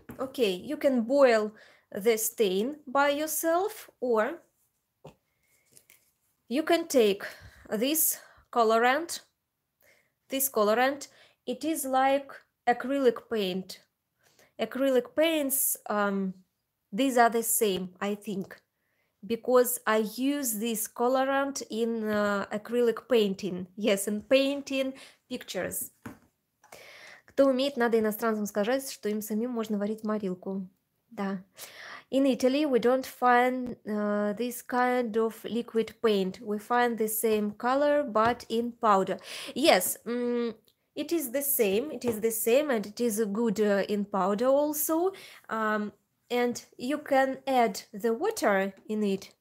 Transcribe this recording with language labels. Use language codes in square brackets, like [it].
[en] Okay, you can boil the stain by yourself, or you can take this colorant, It is like acrylic paint. Acrylic paints, these are the same, I think, because I use this colorant in acrylic painting. Yes, in painting pictures. [ru] Кто умеет, надо иностранцам сказать, что им самим можно варить морилку. Да. [en] In Italy, we don't find this kind of liquid paint. We find the same color, but in powder. Yes, it is the same. It is the same, and it is good in powder also. And you can add the water in it.